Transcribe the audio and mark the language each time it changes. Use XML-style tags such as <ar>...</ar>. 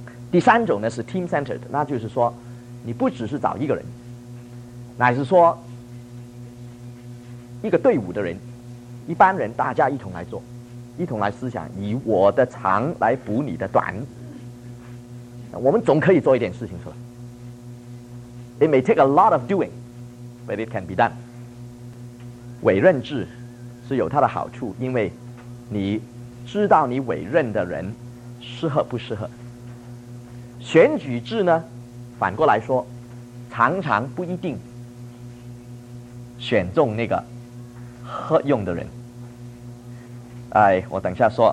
<zh>第三种呢是 team centered， 那就是说你不只是找一个人，乃是说一个队伍的人，一般人大家一同来做，一同来思想，以我的长来补你的短，我们总可以做一点事情出来。</zh> <en>It may take a lot of doing, but it can be done。</en> <zh>委任制是有它的好处，因为你知道你委任的人适合不适合。选举制呢，反过来说，常常不一定选中那个合用的人。哎，我等一下说。</zh>